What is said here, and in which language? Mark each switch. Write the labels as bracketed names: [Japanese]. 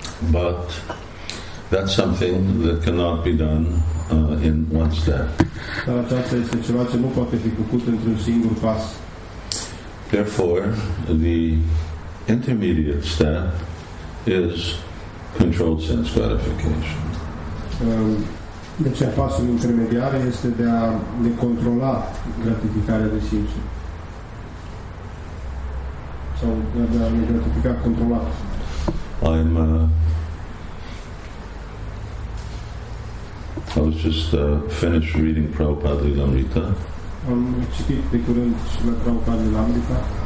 [English] But that's something that cannot be done in one step. [Romanian] Dar aceasta este ceva ce nu poate fi făcut într-un singur pas. [English] Therefore, the intermediate step is controlled sense gratification. [Romanian] Deci pasul intermediar este de a ne controla gratificarea de simțuri. Sau de a ne gratifica controlat. [English] I was just finished reading Prabhupada Lilamrita. [Romanian] Am citit de curând și la Prabhupada Lilamrita.